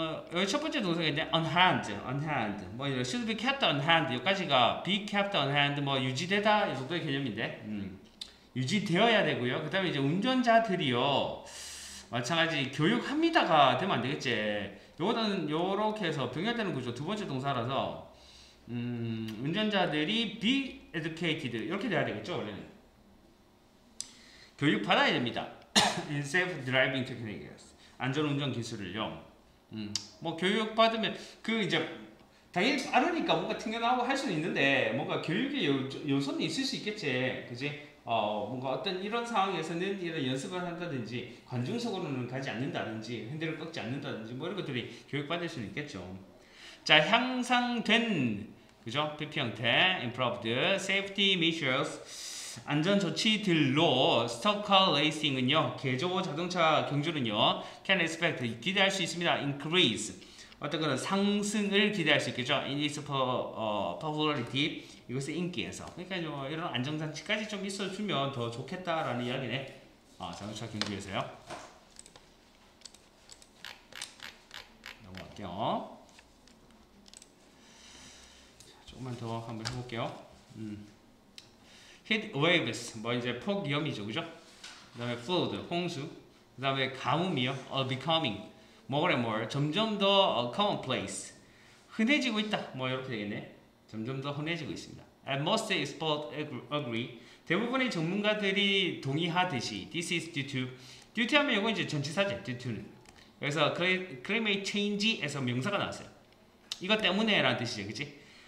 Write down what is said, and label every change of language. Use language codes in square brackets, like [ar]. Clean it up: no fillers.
[ko] 여기 첫 번째 동사가 이제 on hand, on hand. [en] 뭐 이런 should be kept on hand. 여기까지가 be kept on hand. [ko] 뭐 유지되다 이 정도의 개념인데, 유지되어야 되고요. 그다음에 이제 운전자들이요, 마찬가지 교육합니다가 되면 안 되겠지? 요거는 요렇게 해서 병렬되는 구조 두 번째 동사라서 운전자들이 be educated 이렇게 돼야 되겠죠. 원래는 교육 받아야 됩니다. [en] in safe driving techniques, [ko] 안전 운전 기술을요. 뭐 교육 받으면 그 이제 당연히 빠르니까 뭔가 튕겨나오고 할 수는 있는데 뭔가 교육의 요소는 있을 수 있겠지. 그지? 뭔가 어떤 이런 상황에서는 이런 연습을 한다든지 관중석으로는 가지 않는다든지 핸들을 꺾지 않는다든지 뭐 이런 것들이 교육받을 수는 있겠죠. 자, 향상된 그죠? PP 형태, [en] improved safety measures, [ko] 안전 조치들로 스토커 레이싱은요, 개조 자동차 경주는요, [en] can expect [ko] 기대할 수 있습니다. increase 어떤 거는 상승을 기대할 수 있겠죠. [en] In its popularity, [ko] 이것의 인기에서. 그러니까 뭐 이런 안정장치까지 좀 있어주면 더 좋겠다라는 이야기네. 자동차 경주에서요. 넘어갈게요. 자, 조금만 더 한번 해볼게요. [en] Heat waves, [ko] 뭐 이제 폭염이죠, 그죠? 그 다음에 flood, 홍수. 그 다음에 가뭄이요. becoming. [en] More and more, [ko] 점점 더 commonplace, 흔해지고 있다. 뭐 이렇게 되겠네. 점점 더 흔해지고 있습니다. [en] And most experts agree, [ko] 대부분의 전문가들이 동의하듯이, [en] this is due to, due to [ko] 하면 이거 이제 전치사죠. [en] Due to는. [ko] 그래서 climate change에서 명사가 나왔어요. 이것 때문에라는 뜻이죠, 그렇지?